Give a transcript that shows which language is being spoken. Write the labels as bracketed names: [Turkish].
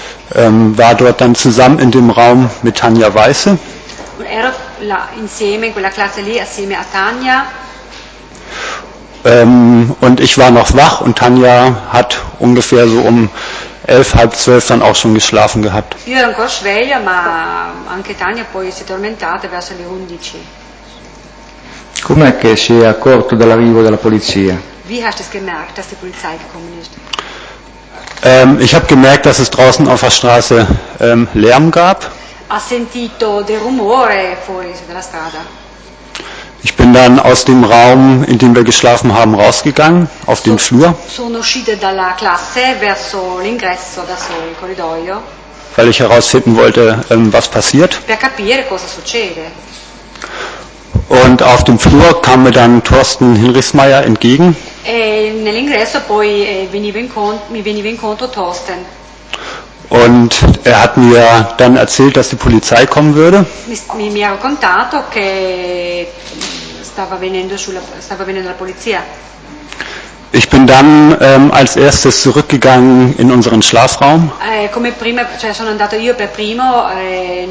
[German] War dort dann zusammen in dem Raum mit Tanja Weiße. [Italian] Und ero insieme in quella classe lì assieme a Tanja. [German] Und ich war noch wach und Tanja hat ungefähr so um 11:30 dann auch schon geschlafen gehabt. [Italian] Io ero ancora sveglia, ma anche Tanja poi si è addormentata verso le 11. Com'è che si è accorto dell'arrivo della polizia? [German] Wie hast du es gemerkt, dass die Polizei gekommen ist? Ich habe gemerkt, dass es draußen auf der Straße Lärm gab. [Italian] Ha sentito del rumore fuori dalla strada. [German] Ich bin dann aus dem Raum, in dem wir geschlafen haben, rausgegangen, auf den Flur. [Italian] Sono uscita dalla classe verso l'ingresso, verso il corridoio. [German] Weil ich herausfinden wollte, was passiert. [Italian] Per capire cosa succede. [German] Und auf dem Flur kam mir dann Thorsten Hinrichsmeier entgegen. [Italian] E nell'ingresso poi mi veniva incontro Thorsten. [German] Und er hat mir dann erzählt, dass die Polizei kommen würde. [Italian] Mi ha raccontato che stava venendo la polizia. [German] Ich bin dann als erstes zurückgegangen in unseren Schlafraum. [Italian] Come prima, cioè sono andato io per primo.